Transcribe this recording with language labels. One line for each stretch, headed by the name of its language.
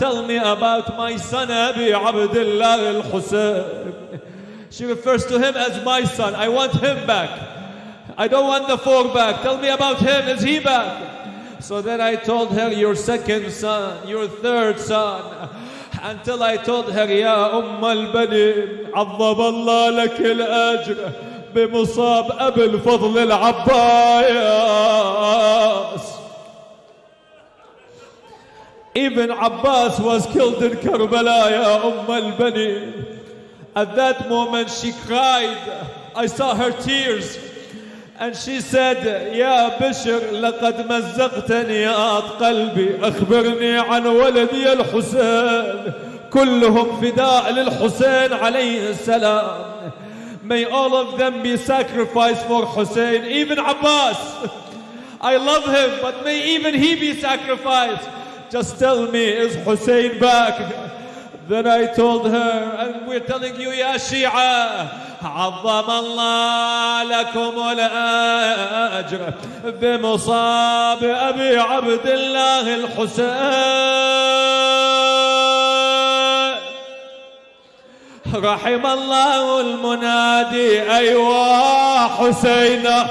English: Tell me about my son, Abi Abdullah al-Husayn. She refers to him as my son. I want him back. I don't want the four back. Tell me about him. Is he back? So then I told her, your second son, your third son. Until I told her, Ya Umm al-Bani,
Arabic: عظم الله لك الأجر بمصاب أبي الفضل العباس.
English: Even Abbas was killed in Karbala, Ya Umm al-Bani. At that moment she cried. I saw her tears. And she said, Ya Bishr,
Arabic: لقد مزقتني آت قلبي أخبرني عن ولدي الحسين كلهم فداء للحسين عليه السلام.
English: May all of them be sacrificed for Hussein, even Abbas. I love him, but may even he be sacrificed. Just tell me, is Hussein back? Then I told her, and we're telling you, Ya Shia,
Arabic: عظم الله لكم الأجر بمصاب أبي عبد الله الحسين رحم الله المنادي أيوا حسين